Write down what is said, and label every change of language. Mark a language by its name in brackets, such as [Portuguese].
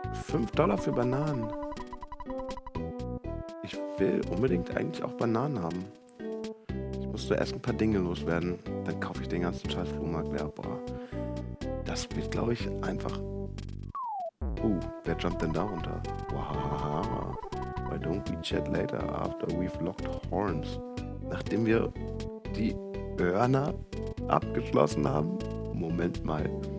[German] $5 für Bananen. Ich will unbedingt eigentlich auch Bananen haben. Ich muss zuerst ein paar Dinge loswerden. Dann kaufe ich den ganzen scheiß Flohmarkt leer. Boah. Das wird, glaube ich, einfach... wer jumpt denn da runter? Wahaha. [English] Why don't we chat later after we've locked horns? [German] Nachdem wir die Hörner abgeschlossen haben? Moment mal.